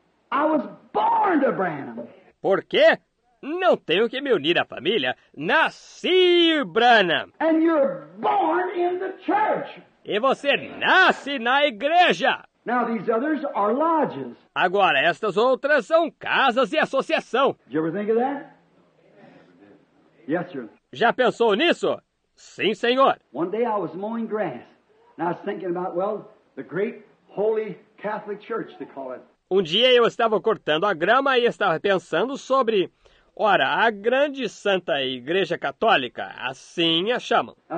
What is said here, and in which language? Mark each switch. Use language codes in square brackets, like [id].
[en] I was born to Branham. [pt] Por quê? Não tenho que me unir à família. Nasci, Branham. [en] And you're born in the church. [pt] E você nasce na igreja. [en] Now, these others are lodges. [pt] Agora, estas outras são casas de associação. [en] Did you ever think of that? Yes, sir. [pt] Já pensou nisso? Sim, senhor. [en] One day I was mowing grass. And I was thinking about, well, the great holy Catholic church, they call it. [pt] Um dia eu estava cortando a grama e estava pensando sobre, ora, a grande santa igreja católica, assim a chamam.